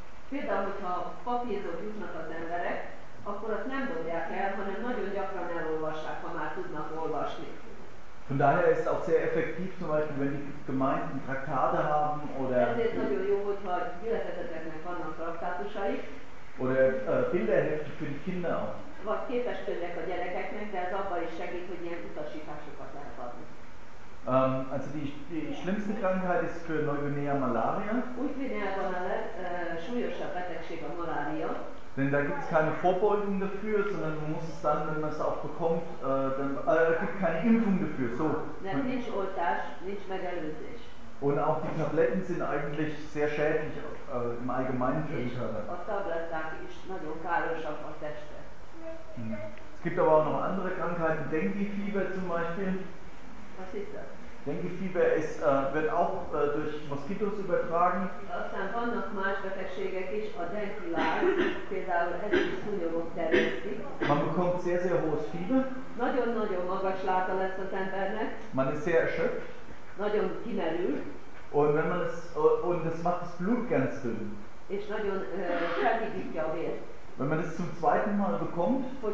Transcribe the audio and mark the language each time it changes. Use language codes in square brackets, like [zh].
[hu] Például, hogyha papírhoz jutnak az emberek, akkor azt nem dobják el, hanem nagyon gyakran elolvassák, ha már tudnak olvasni. [de] Von daher ist auch sehr effektiv, zum Beispiel, wenn die Gemeinden Traktate haben oder. [hu] Ezért nagyon jó, hogyha gyülekezeteknek vannak traktátusai. [de] Oder Bilderhefte für die Kinder auch. [hu] Vagy képeskönyvek a gyerekeknek, de ez abban is segít, hogy ilyen utasításokat lehet adni. [de] Also die schlimmste Krankheit ist für Neuguinea Malaria. [hu] Újguineában a legsúlyosabb betegség a malária. [de] Denn da gibt es keine Vorbeugung dafür, sondern man muss es dann, wenn man es auch bekommt, dann gibt keine Impfung dafür. So. Denn nicht Oltás, nicht Megelőzés. Und auch die Tabletten sind eigentlich sehr schädlich im Allgemeinen für den Körper. [hu] A tabletták is nagyon károsak a testre. [de] Es gibt aber auch noch andere Krankheiten, Dengue-Fieber zum Beispiel. Was ist das? Dengue-Fieber wird auch durch Moskitos übertragen. [hu] Aztán vannak más betegségek is, a Dengue-Láz, például ez is szúnyogok terjesztik. [de] Man bekommt sehr, sehr hohes Fieber. [hu] Nagyon-nagyon magas láta lesz az embernek. [de] Man ist sehr erschöpft. [hu] Nagyon kimerül. [de] Und wenn man es, und das macht das Blut ganz dünn. [hu] És nagyon felhigítja a vért. [de] Wenn man das zum zweiten Mal bekommt,